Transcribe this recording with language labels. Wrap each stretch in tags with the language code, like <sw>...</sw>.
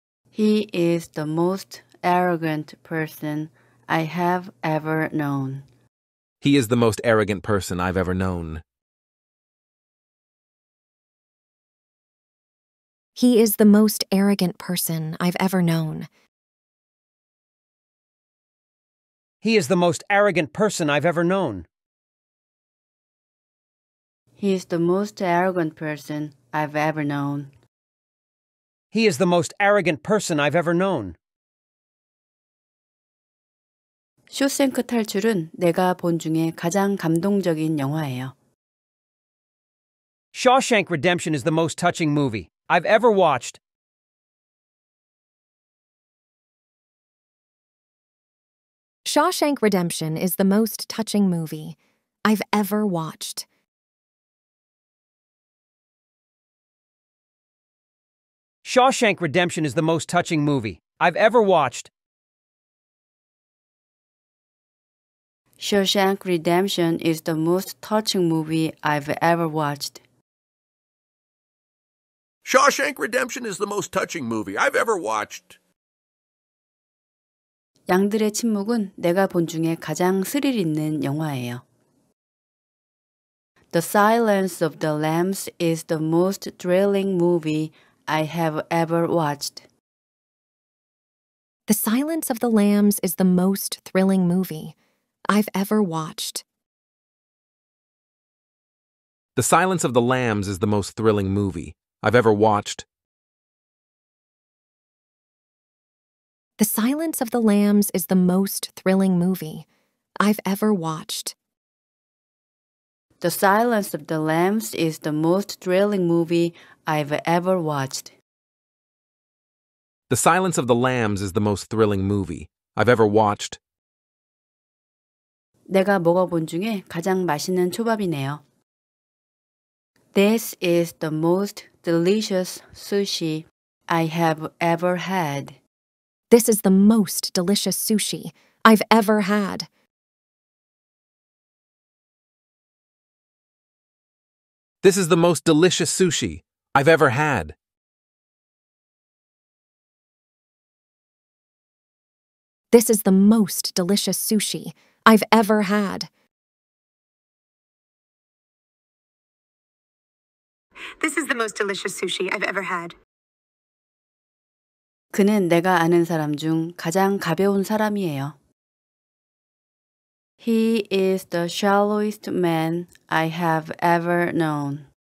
<en>He is the most arrogant person I have ever known. He is the most arrogant person I've ever known. He is the most arrogant person I've ever known. He is the most arrogant person I've ever known. He is the most arrogant person I've ever known. He is the most arrogant person I've ever known.</en> <ko>쇼생크 탈출은 내가 본 중에 가장 감동적인 영화예요.</ko> <en>Shawshank Redemption is the most touching movie I've ever watched. Shawshank Redemption is the most touching movie I've ever watched. Shawshank Redemption is the most touching movie I've ever watched. Shawshank Redemption is the most touching movie I've ever watched. Shawshank Redemption is the most touching movie I've ever watched.</en> <ko>양들의 침묵은 내가 본 중에 가장 스릴 있는 영화예요.</ko> <en>The Silence of the Lambs is the most thrilling movie I have ever watched. The Silence of the Lambs is the most thrilling movie I've ever watched. The Silence of the Lambs is the most thrilling movie I've ever watched. The Silence of the Lambs is the most thrilling movie I've ever watched. The Silence of the Lambs is the most thrilling movie I've ever watched. The Silence of the Lambs is the most thrilling movie I've ever watched.</en> <ko>내가 먹어본 중에 가장 맛있는 초밥이네요.</ko> <en>This is the most delicious sushi I have ever had. This is the most delicious sushi I've ever had. This is the most delicious sushi I've ever had. This is the most delicious sushi I've ever had. This is the most delicious sushi I've ever had.</en> <ko>그는 내가 아는 사람 중 가장 가벼운 사람이에요.</ko> <en>He is the shallowest man I have ever known.</en>